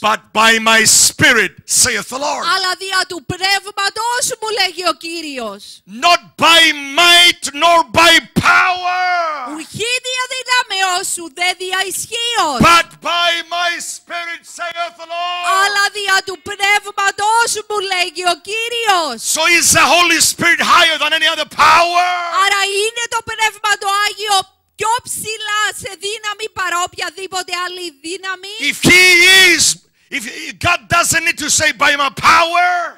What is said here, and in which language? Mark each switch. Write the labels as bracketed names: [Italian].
[English] but by my spirit, saith the Lord. [Greek] Αλλά δια του πνεύματος μου, λέγει ο Κύριος. [English] Not by might, nor by power. [Greek] Ουχή δια δυνάμεως, ουδέδια ισχύος. [English] But by my spirit, saith the Lord. [Greek] Αλλά δια του πνεύματος μου, λέγει ο Κύριος. [English] So is the Holy Spirit higher than any other power? [Greek] Άρα είναι το Πνεύμα το Άγιο πιο ψηλά σε δύναμη παρά οποιαδήποτε άλλη δύναμη. [English] If he is, if God doesn't need to say by my power.